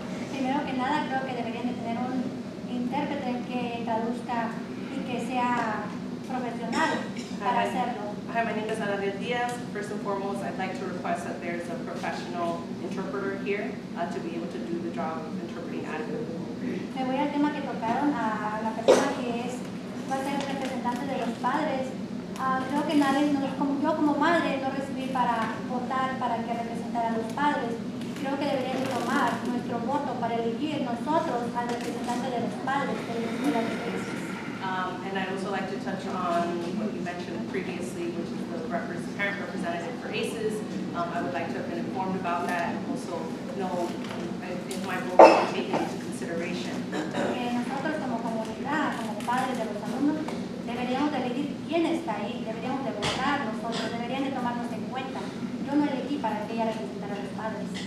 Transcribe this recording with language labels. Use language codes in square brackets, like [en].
[es] Primero que nada, creo que deberían de tener un intérprete que traduzca y que sea profesional para hacerlo. [en] Hi, my name is Ana Díaz. First and foremost, I'd like to request that there's a professional interpreter here to be able to do the job of interpreting adequately. [es] Me voy al tema que tocaron a la persona que es, va a ser el representante de los padres. Creo que nadie, yo como madre no recibí para votar para que representara a los padres. Creo que deberíamos tomar nuestro voto para elegir nosotros al representante de los padres de los niños. [en] And I'd also like to touch on what you mentioned previously, which is the parent representative for ACES. I would like to have been informed about that and also know if my role will be taken into consideration. [es] Nosotros como comunidad, como padres de los alumnos, deberíamos elegir quién está ahí, deberíamos de votar nosotros, deberían de tomarnos en cuenta. Yo no elegí para que ella representara a los padres.